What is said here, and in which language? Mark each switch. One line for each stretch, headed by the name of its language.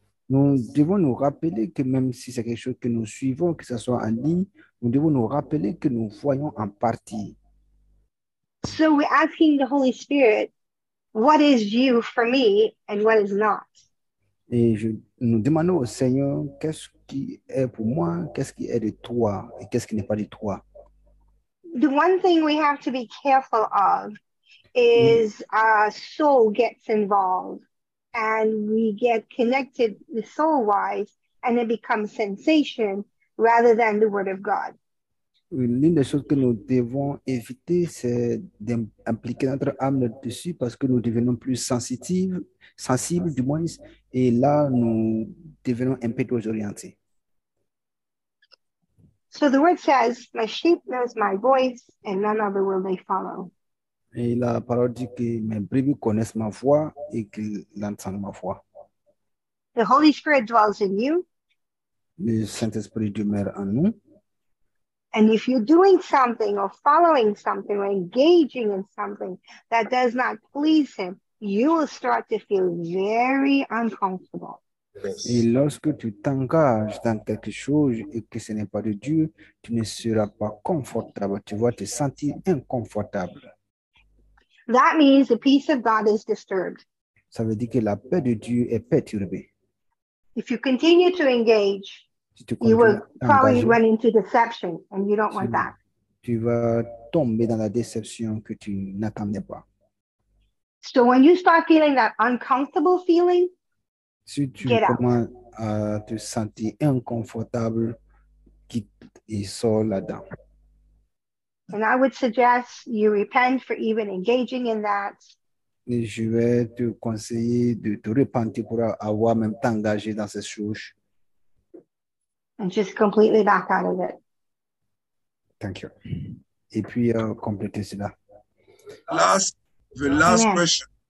French: Nous devons nous rappeler que même si c'est quelque chose que nous suivons, que ce soit en ligne, nous devons nous rappeler que nous voyons en partie.
English: So we're asking the Holy Spirit, what is you for me and what is not?
French: Et nous demandons au Seigneur, qu'est-ce qui est pour moi, qu'est-ce qui est de toi et qu'est-ce qui n'est pas de toi?
English: The one thing we have to be careful of is our soul gets involved and we get connected soul-wise and it becomes sensation rather than the word of God.
French: L'une des choses que nous devons éviter, c'est d'impliquer notre âme dessus parce que nous devenons plus sensitives, sensibles du moins, et là, nous devenons un peu plus orientés.
English: So the word says, my sheep knows my voice and none other will they follow.
French: Et la parole dit que mes brebis connaissent ma voix et qu'ils entendent ma voix.
English: The Holy Spirit dwells in you.
French: Le Saint-Esprit demeure en nous.
English: And if you're doing something or following something or engaging in something that does not please him, you will start to feel very uncomfortable.
French: Et lorsque tu t'engages dans quelque chose et que ce n'est pas de Dieu, tu ne seras pas confortable. Tu vas te sentir inconfortable.
English: That means the peace of God is disturbed.
French: Ça veut dire que la paix de Dieu est perturbée.
English: If you continue to engage,
French: si
English: you will probably run into deception, and you don't want that.
French: Tu vas tomber dans la déception que tu n'attendais pas.
English: So when you start feeling that uncomfortable feeling,
French: si tu commences à te sentir inconfortable, quitte et sors là-dedans.
English: And I would suggest you repent for even engaging in that.
French: Et je vais te conseiller de te repentir pour avoir même t'engager dans ces choses.
English: And just completely back out of it. Thank you.
French: Et puis, compléter cela.
English: Last, the last question.